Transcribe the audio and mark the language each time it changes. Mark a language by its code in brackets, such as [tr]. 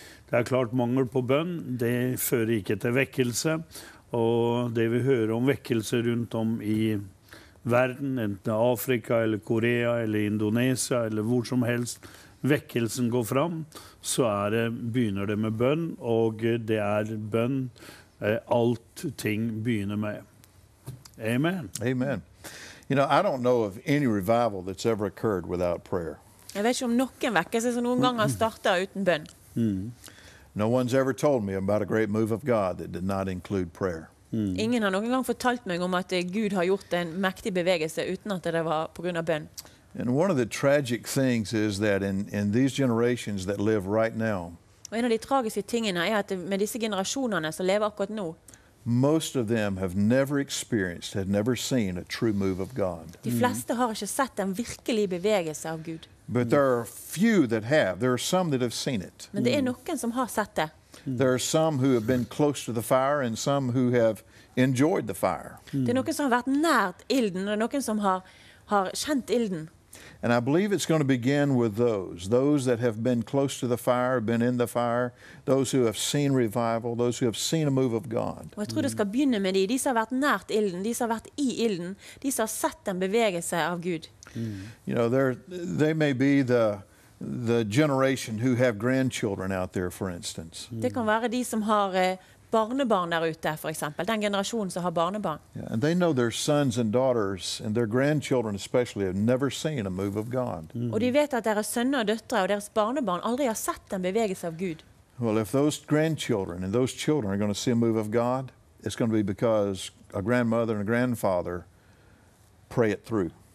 [no] Det klart mangel på bønn, det fører ikke til vekkelse, og det vi hører om vekkelse rundt om I verden, enten Afrika eller Korea eller Indonesia eller hvor som helst, vekkelsen går fram, så begynner det med bønn, og det bønn alt ting begynner med. Amen. Amen. [en] You know, I don't know of any revival that's ever occurred without prayer. [no] Jeg vet ikke om noen vekkelse som noen gang har startet uten bønn. [en] No one's ever told me about a great move of God that did not include prayer. [no] Ingen har noen gang fortalt meg om at Gud har gjort en mektig bevegelse uten at det var på grunn av bønn. [en] And one of the tragic things is that in these generations that live right now, [no] og en av de tragiske tingene at med disse generasjonene som lever akkurat nå, [en] most of them have never experienced, have never seen a true move of God. [no] De fleste har ikke sett en virkelig bevegelse av Gud. [en] But there are few that have. There are some that have seen it. [no] Men det noen som har sett det. [en] There are some who have been close to the fire and some who have enjoyed the fire. [no] Det noen som har vært nært ilden, og noen som har kjent ilden. [en] And I believe it's going to begin with those that have been close to the fire, been in the fire, those who have seen revival, those who have seen a move of God. [no] Jeg tror det skal begynne med de som har vært nært ilden, de som har vært I ilden, de som har sett den bevege seg av Gud. [en] You know, they may be the generation who have grandchildren out there, for instance. [no] Det kan være de som har barnebarn der ute, for eksempel, den generasjonen som har barnebarn. [en] Yeah, and they know their sons and daughters and their grandchildren especially have never seen a move of God. [no] Og de vet at deres sønner og døtre og deres barnebarn aldri har sett den bevege seg av Gud. [en] Well, if those grandchildren and those children are going to see a move of God, it's going to be because a grandmother and a grandfather pray it through.